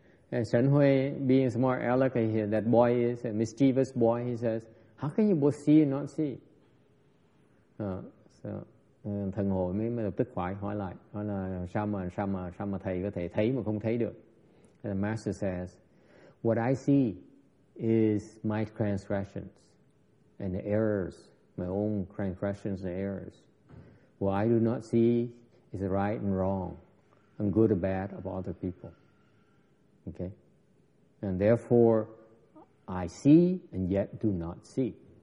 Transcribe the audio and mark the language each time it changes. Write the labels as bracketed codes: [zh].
[en] And Shen Hui, being smart aleck, that boy is a mischievous boy, he says, how can you both see and not see? [vi] So thần hồi mới lập tức hỏi lại, hỏi là sao mà thầy có thể thấy mà không thấy được. [en] And the master says, what I see is my transgressions and the errors, my own transgressions and errors. What I do not see is the right and wrong. and good or bad of other people. Okay? And therefore, I see and yet do not see.